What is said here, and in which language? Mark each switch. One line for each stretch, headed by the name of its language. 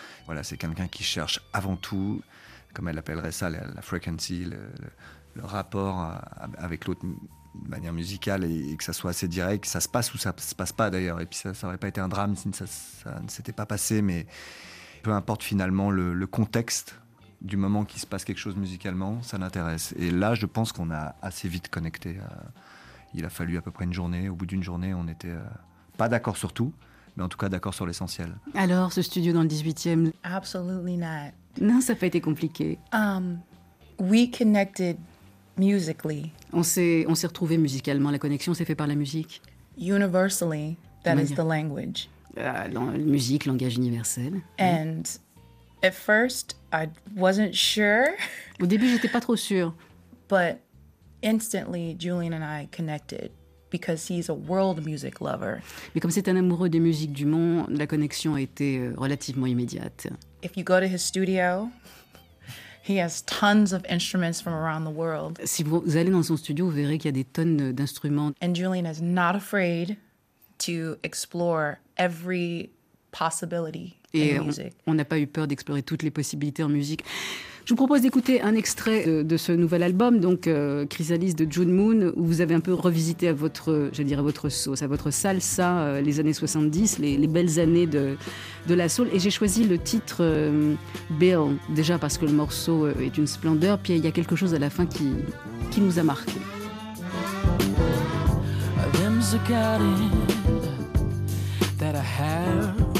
French: Voilà, c'est quelqu'un qui cherche avant tout, comme elle appellerait ça, la frequency, le rapport avec l'autre de manière musicale, et que ça soit assez direct, que ça se passe ou ça se passe pas d'ailleurs. Et puis ça n'aurait pas été un drame si ça ne s'était pas passé, mais peu importe finalement le contexte du moment qu'il se passe quelque chose musicalement, ça l'intéresse. Et là, je pense qu'on a assez vite connecté. Il a fallu à peu près une journée. Au bout d'une journée, on n'était pas d'accord sur tout. Mais en tout cas, d'accord sur l'essentiel. Alors, ce studio dans le 18e ?
English: Absolutely not.
French: Non, ça n'a pas été compliqué.
English: We connected musically.
French: On s'est retrouvé musicalement. La connexion s'est faite par la musique.
English: Universally, that is the language.
French: Musique, langage universel.
English: And at first, I wasn't sure.
French: Au début, j'étais pas trop sûre.
English: But instantly, Julian and I connected because he's a world music lover.
French: Mais comme c'est un amoureux des musiques du monde, la connexion a été relativement immédiate.
English: If you go to his studio, he has tons of instruments from around the world.
French: Si vous allez dans son studio, vous verrez qu'il y a des tonnes d'instruments.
English: And Julian is not afraid to explore every possibility in music.
French: On n'a pas eu peur d'explorer toutes les possibilités en musique. Je vous propose d'écouter un extrait de ce nouvel album, donc Chrysalis de June Moon, où vous avez un peu revisité à votre, j'allais dire à votre sauce, à votre salsa, les années 70, les belles années de la soul. Et j'ai choisi le titre Bill, déjà parce que le morceau est une splendeur, puis il y a quelque chose à la fin qui nous a marqué.
English: Them's a garden that I have.